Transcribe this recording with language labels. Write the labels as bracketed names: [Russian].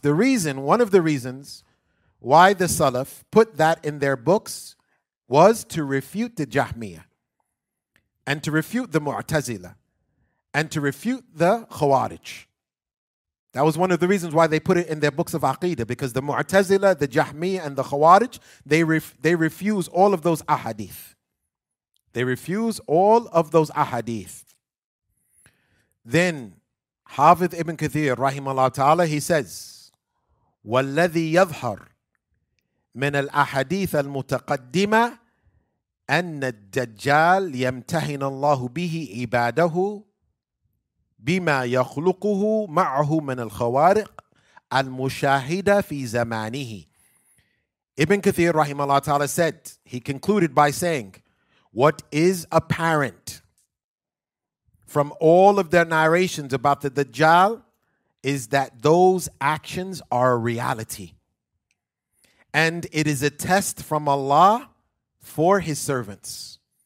[English] The reason, one of the reasons why the Salaf put that in their books was to refute the Jahmiyyah, and to refute the Mu'tazila, and to refute the Khawarij. That was one of the reasons why they put it in their books of Aqidah, because the Mu'tazila, the Jahmiyyah, and the Khawarij, they refuse all of those ahadith. They refuse all of those ahadith. Then, Hafidh Ibn Kathir, rahimahullah ta'ala, he says, [Arabic] وَالَّذِي يَظْهَرْ مِنَ الْأَحَدِيثَ الْمُتَقَدِّمَةَ أَنَّ الدَّجَّالِ يَمْتَهِنَ اللَّهُ بِهِ عِبَادَهُ بِمَا يَخْلُقُهُ مَعْهُ مِنَ الْخَوَارِقِ الْمُشَاهِدَةِ فِي زَمَانِهِ. [English] Ibn Kathir, rahimahullah ta'ala, said, he concluded by saying, what is apparent from all of their narrations about the Dajjal is that those actions are a reality. And it is a test from Allah for his servants.